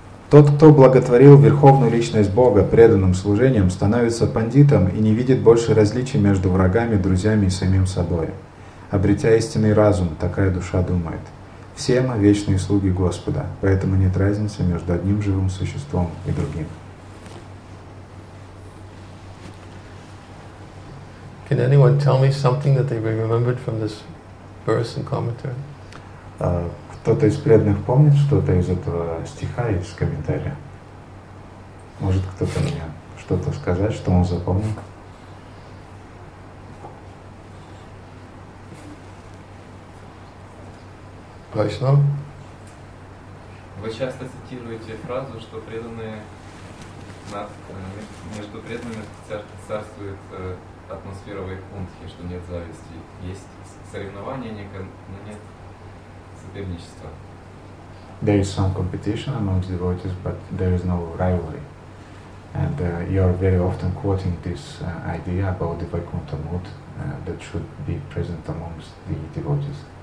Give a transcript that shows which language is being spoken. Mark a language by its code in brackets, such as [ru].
[ru] Тот, кто благотворил Верховную Личность Бога преданным служением, становится пандитом и не видит больше различий между врагами, друзьями и самим собой. Обретя истинный разум, такая душа думает. В Все мы вечные слуги Господа, поэтому нет разницы между одним живым существом и другим. [en] Can anyone tell me something that they remembered from this verse and commentary? [ru] Кто-то из преданных помнит что-то из этого стиха или из комментария? Может кто-то мне что-то сказать, что он запомнил? Вайшнав? Вы часто цитируете фразу, что преданные нас, между преданными царствует атмосфера Вайкунтхи, что нет зависти. Есть соревнования некое, но нет соперничества. [en] There is some competition amongst devotees, but there is no rivalry. And you are very often quoting this idea about the Vaikuntha mood that should be present amongst the devotees.